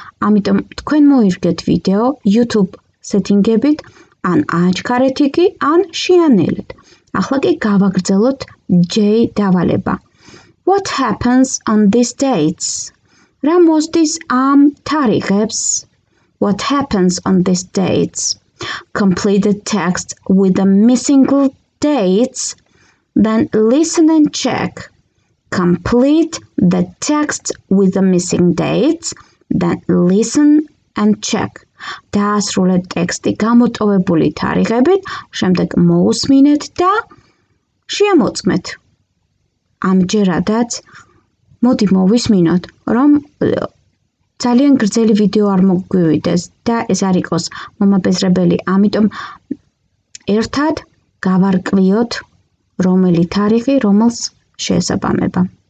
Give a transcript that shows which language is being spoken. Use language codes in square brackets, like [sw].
[ka] ამიტომ თქვენ მოირგეთ ვიდეო YouTube სეტინგებით, ან აჩქარეთ იგი, ან შეანელეთ. ახლა კი გავაგრძელოთ J დავალება. [en] What happens on these dates? [ka] რა მოსდის ამ თარიღებს? [en] What happens on these dates? Complete the text with the missing dates, then listen and check. Complete the text with the missing dates, then listen and check. [ka] დაასრულე ტექსტი გამოტოვებული თარიღებით, შემდეგ მოუსმინეთ და შემოწმეთ. ამჯერადაც მოდი მოვისმინოთ, რომ ძალიან გრძელი ვიდეო არ მოგგვივიდეს და ეს არ იყოს მომაბეზრებელი, ამიტომ ერთად გავარკვიოთ რომელი თარიღი რომელს შეესაბამება.